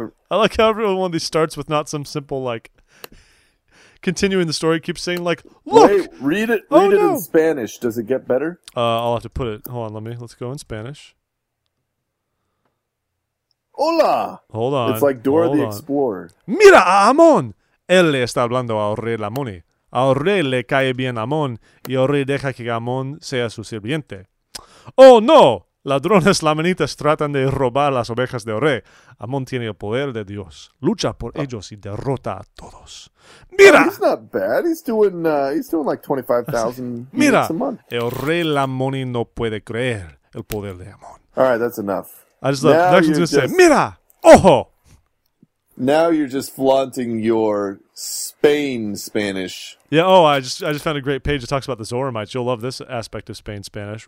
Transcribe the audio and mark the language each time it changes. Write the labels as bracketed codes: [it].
[en] I like how everyone of these starts with not some simple, like, continuing the story, keeps saying, like, look! Wait, read it, read it in Spanish. Does it get better? I'll have to put it. Hold on, let's go in Spanish. [es] Hola! [en] Hold on. It's like Dora the Explorer. [es] Mira a Ammon! Él le está hablando a Rey Lamoni. Al rey le cae bien Amón y al rey deja que Amón sea su sirviente. ¡Oh, no! Ladrones lamanitas tratan de robar las ovejas del rey. Amón tiene el poder de Dios. Lucha por ellos y derrota a todos. ¡Mira! [en] He's not bad. He's doing like 25,000 [es] Mira, [en] a month. [es] El rey Lamoni no puede creer el poder de Amón. [en] All right, that's enough. I just love that. Just... [es] ¡Mira! ¡Ojo! [en] Now you're just flaunting your Spain Spanish. Yeah, oh, I just found a great page that talks about the Zoramites. You'll love this aspect of Spain Spanish.